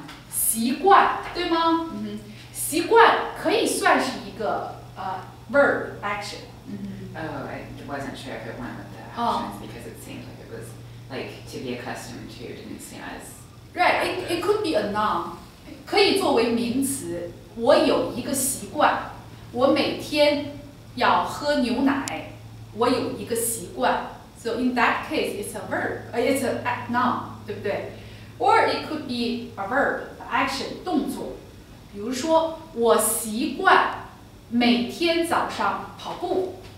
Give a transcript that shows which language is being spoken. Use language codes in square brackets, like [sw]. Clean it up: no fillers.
[zh] 习惯，对吗？嗯，习惯可以算是一个verb action。 [en] I wasn't sure if it went with the actions because it seemed like it was like to be accustomed to didn't seem as right. It could be a noun， [zh] 可以作为名词。我有一个习惯，我每天要喝牛奶。我有一个习惯 [en] ，so in that case it's a verb， it's a noun， [zh] 对不对？ [en] Or it could be a verb, action, 动作。 [zh] 比如说，我习惯每天早上跑步。